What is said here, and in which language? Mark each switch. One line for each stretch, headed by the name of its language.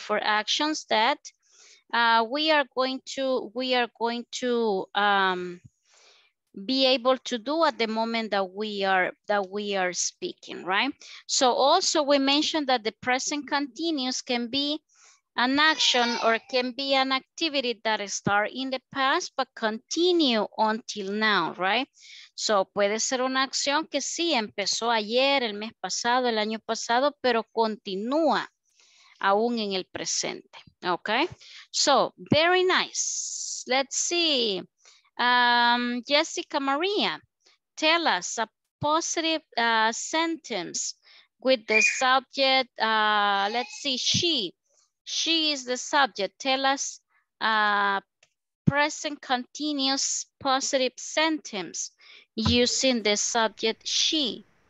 English: For actions that we are going to be able to do at the moment that we are speaking, right? So also we mentioned that the present continuous can be an action or can be an activity that start in the past but continue until now, right?
Spanish: So puede ser una acción que sí empezó ayer, el mes pasado, el año pasado, pero continúa aún en el presente.
English: Okay, so very nice. Let's see. Jessica Maria, tell us a positive sentence with the subject. Let's see, she is the subject. Tell us a present continuous positive sentence using the subject she.